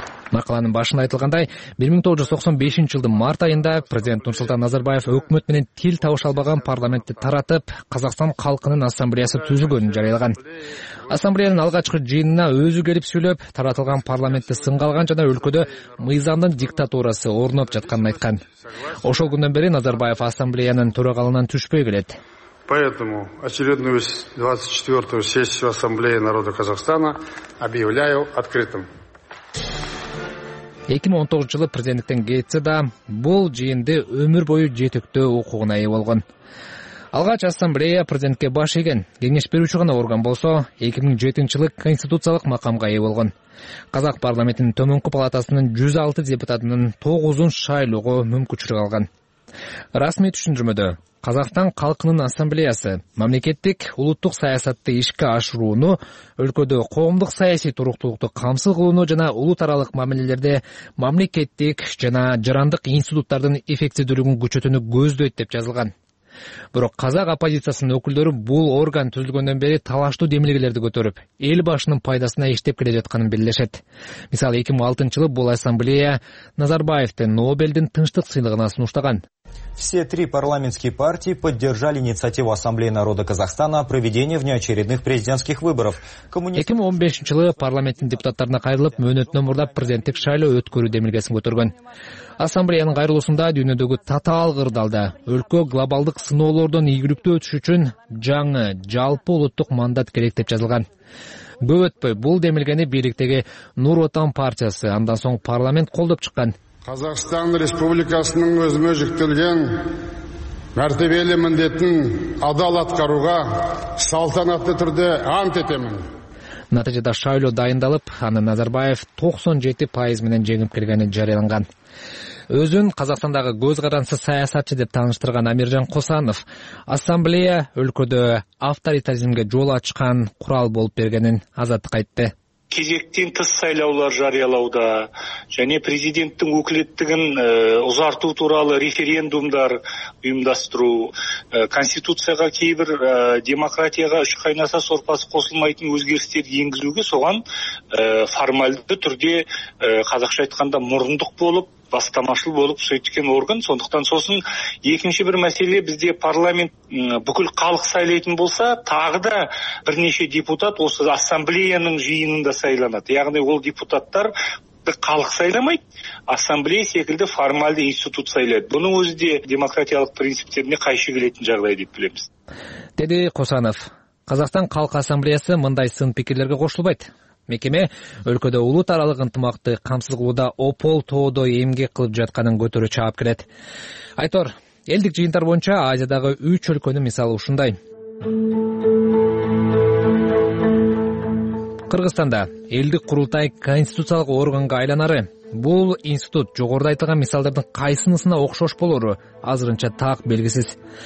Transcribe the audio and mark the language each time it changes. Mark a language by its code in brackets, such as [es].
[ky] Макаланын башында айтылгандай, 1995-жылдын март айында президент Нурсултан Назарбаев өкмөт менен тил табыша албаган парламентти таратып, Казакстан халкынын ассамблеясы түзүлгөнүн жарыялаган. Ассамблеянын алгачкы жыйынына өзү келип сүйлөп, таратылган парламентти сынга алган жана өлкөдө мыйзамдын диктатурасы орноп жатканын айткан. Ошол күндөн бери Назарбаев ассамблеянын төрагалыгынан түшпөй келет. [ru] Поэтому очередную 24-ю сессию Ассамблеи народа Казахстана объявляю открытым. [ky] 2019-жылы президенттен кетсе да, бул жыйынды өмүр бою жетектөө укугуна ээ болгон. Алгач ассамблея президентке баш ийген, кеңеш берүүчү гана орган болсо, 2007-жылы конституциялык макамга ээ болгон. Казак парламентинин төмөнкү палатасынын 106 депутатынын 9-ун шайлоого мүмкүнчүлүк алган. Расмий түшүндүрмөдө Казакстан халкынын ассамблеясы мамлекеттик улуттук саясатты ишке ашырууну, өлкөдө коомдук саясий туруктуулукту камсыз кылууну жана улут аралык мамилелерде мамлекеттик жана жарандык институттардын эффективдүүлүгүн күчөтүүнү көздөйт деп жазылган. Бирок казак оппозициясынын өкүлдөрү бул орган түзүлгөндөн бери талаштуу демилгелерди көтөрүп, эл башынын пайдасына иштеп келе жатканын билдиришет. Мисалы, 2006-жылы бул ассамблея Назарбаевди Нобелдин тынчтык сыйлыгына сунуштаган. [ru] Все три парламентские партии поддержали инициативу Ассамблеи народа Казахстана о проведении внеочередных президентских выборов. [ky] 2015-жылы парламенттин депутаттарына кайрылып, мөөнөтүнө мурдап президенттик шайлоо өткөрүү демилгесин көтөргөн. Ассамблеянын кайрылуусунда дүйнөдөгү татаал кырдаалда өлкө глобалдык сыноолордон ийгиликтүү өтүш үчүн жаңы жалпы улуттук мандат керек деп жазылган. Көп өтпөй бул демилгени бийликтеги Нур Отан партиясы, андан соң парламент колдоп чыккан. [kk] Казахстан Республикасының өзіме жүктілген мәртебелі міндетін адал атқаруға салтанатты түрде ант етемін. [ky] Натыйжада шайлоо дайындалып, аны Назарбаев 97% менен жеңип келгени жарыяланган. Өзүн Казахстандагы көз карансыз саясатчы деп тааныштырган Амиржан Косанов ассамблея өлкөдө авторитаризмге жол ачкан курал болуп бергенин азаттык айтты. [kk] Кезектен тыс сайлаулар жарыялауда және президенттің өкілеттігін ұзарту туралы референдумдар ұйымдастыру, конституцияға кейбір демократияға үш қайнаса сорпасы қосылмайтын өзгерістер енгізуге соған формальды түрде қазақша айтқанда мұрындық болып, бастамашыл болып сөйткен орган. Сондықтан сосын екінші бір мәселе, бізде парламент бүкіл халық сайлайтын болса, тағы да бірнеше депутат осы ассамблеяның жиынында сайланады. Яғни ол депутаттар халық сайламайды, ассамблея секілді формальды институт сайлайды. Бұның өзі де демократиялық принциптеріне қайшы келетін жағдай деп білеміз. Деді Қосанов, Қазақстан халық ассамблеясы мындай сын пікірлерге қосылбайды. [ky] Мекеме өлкөдө улут аралык ынтымакты камсыз кылууда опол тоодо эмгек кылып жатканын көтөрө чаап келет. Айтор, элдик жыйынтар боюнча Азиядагы 3 өлкөнүн мисалы ушундай. Кыргызстанда элдик курултай конституциялык органга айланары, бул институт жогоруда айтылган мисалдардын кайсынысына окшош болору азырынча так белгисиз.